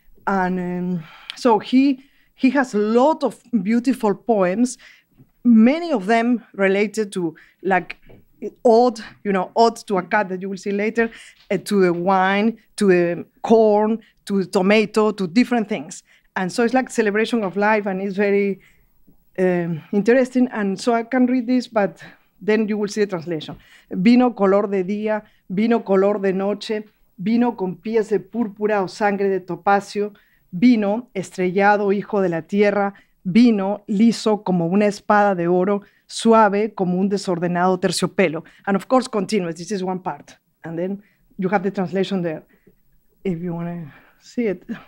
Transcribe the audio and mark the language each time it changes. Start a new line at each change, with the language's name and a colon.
English: And so he has a lot of beautiful poems, many of them related to like ode, you know, ode to a cat that you will see later, to the wine, to the corn, to the tomato, to different things. And so it's like celebration of life, and it's very interesting. And so I can read this, but then you will see the translation.
Spanish: Vino color de día, vino color de noche, vino con pies de púrpura o sangre de topacio, vino estrellado hijo de la tierra, vino liso como una espada de oro, suave como un desordenado terciopelo.
English: And of course, continuous. This is one part. And then you have the translation there, if you want to see it.